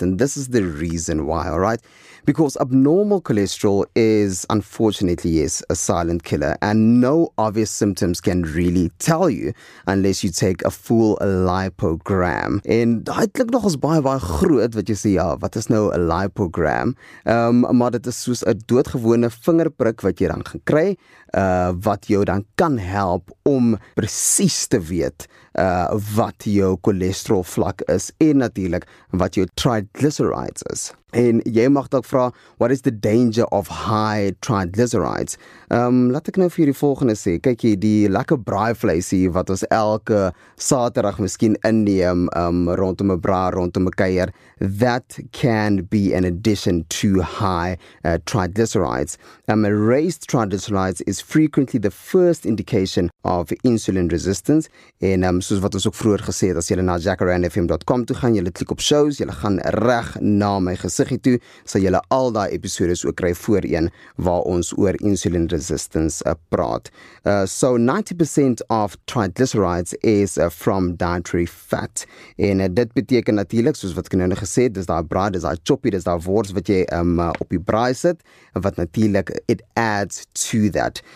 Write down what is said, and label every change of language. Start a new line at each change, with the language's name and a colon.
English: And this is the reason why, all right? Because abnormal cholesterol is, unfortunately, yes, a silent killer. And no obvious symptoms can really tell you unless you take a full lipogram.
Afrikaans: En dit klink nog as baie groot wat jy sê, ja, wat is nou 'n lipogram? Maar dit is soos 'n doodgewone vingerprik wat jy dan gaan kry, wat jou dan kan help om presies te weet wat jou cholesterol vlak is en natuurlik wat jou triglycerides is. En jy mag dalk vra,
English: what is the danger of high triglycerides?
Afrikaans: Laat ek nou vir die volgende sê. Kyk jy, die lekker braai vleis hier wat ons elke Saterdag miskien inneem, rondom 'n braai, rondom 'n kuier,
English: that can be an addition to high triglycerides. Raised triglycerides is frequently the first indication of insulin resistance.
Afrikaans: En soos wat ons ook vroeër gesê het, as jy na jackaranfm.com toe gaan, jy klik op shows, jy gaan reg na my gesiggie toe, sal jy al daai episode ook kry voorheen waar ons oor insulin resistance praat.
English: So 90% of triglycerides is from dietary fat.
Afrikaans: En dit beteken natuurlik, soos wat ek nou gesê het, dis daai braai, dis daai choppie, dis daai wors wat jy op die braai sit, wat natuurlik
English: it adds to that.